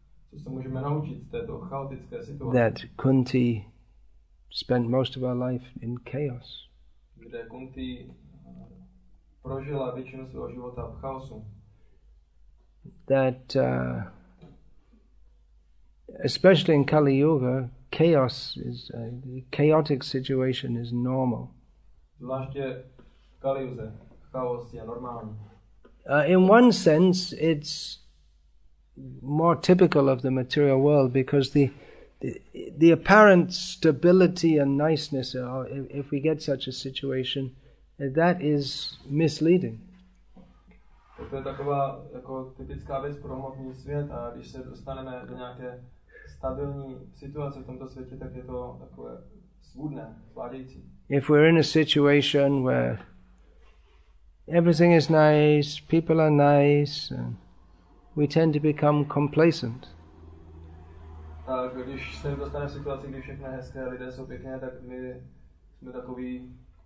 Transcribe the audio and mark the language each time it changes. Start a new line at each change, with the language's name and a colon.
Czech: Co se můžeme naučit z této chaotické situace?
English: That Kunti spent most of her life in chaos.
Czech: Kde Kunti prožila většinu svého života v chaosu.
English: That especially in Kali Yuga, chaos is a chaotic situation is normal.
Czech: Zvláště v Kali Yuze, chaos je normální.
English: In one sense, it's more typical of the material world because the apparent stability and niceness, if we get such a situation, that is misleading.
Czech: To je taková jako typická věc pro hmotný svět, a když se dostaneme do nějaké stabilní situace v tomto světě, tak je to takové svůdné, svádějící.
English: If we're in a situation where everything is nice, people are nice, and we tend to become complacent.
Czech: Tak když se dostaneme v situaci, kdy všechno je hezké, lidé jsou pěkné, tak my jsme takový...